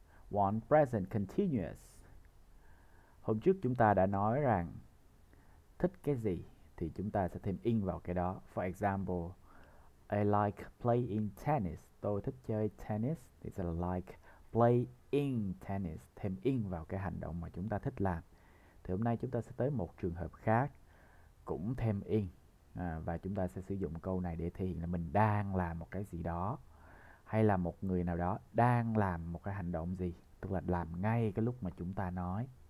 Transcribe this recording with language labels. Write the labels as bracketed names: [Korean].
[English] One present continuous. [Vietnamese] Hôm trước chúng ta đã nói rằng thích cái gì thì chúng ta sẽ thêm in vào cái đó. [English] For example, I like playing tennis. [Vietnamese] Tôi thích chơi tennis. [English] It's a like playing tennis. [Vietnamese] Thêm in vào cái hành động mà chúng ta thích làm. Thì hôm nay chúng ta sẽ tới một trường hợp khác cũng thêm in. Và chúng ta sẽ sử dụng câu này để thể hiện là mình đang làm một cái gì đó. Hay là một người nào đó đang làm một cái hành động gì. Tức là làm ngay cái lúc mà chúng ta nói.